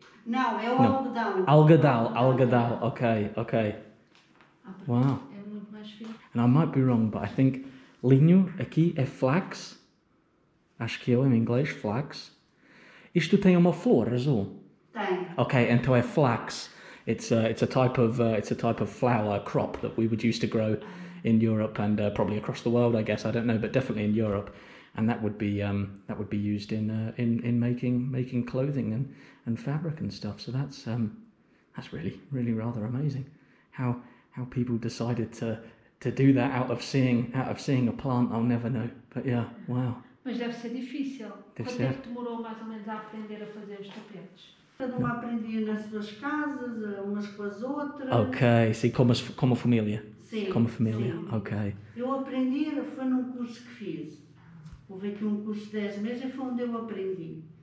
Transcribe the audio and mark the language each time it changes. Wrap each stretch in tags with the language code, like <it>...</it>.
<pt>Não, é o não. Algodão. Algodão, algodão, ok, ok. Uau. Wow.</pt> <en>And I might be wrong, but I think</en> <pt>linho aqui é</pt> <en>flax.</en> <pt>Acho que eu em inglês, flax. Isto tem uma flor azul? Tem. Okay, então é flax.</pt> <en>It's a type of flower crop that we would use to grow in Europe and probably across the world, I guess. I don't know, but definitely in Europe. And that would be used in making clothing and fabric and stuff. So that's really, really rather amazing how people decided to do that out of seeing a plant. I'll never know. But yeah, wow.</en> <pt>Mas deve ser difícil. Deve Quanto ser. Tempo demorou mais ou menos a aprender a fazer os tapetes? Cada um aprendia nas suas casas, umas com as outras. Ok, sim, como família. Sim. Como família, sim. Ok. Eu aprendi, foi num curso que fiz. Houve aqui um curso de 10 meses e foi onde eu aprendi.</pt>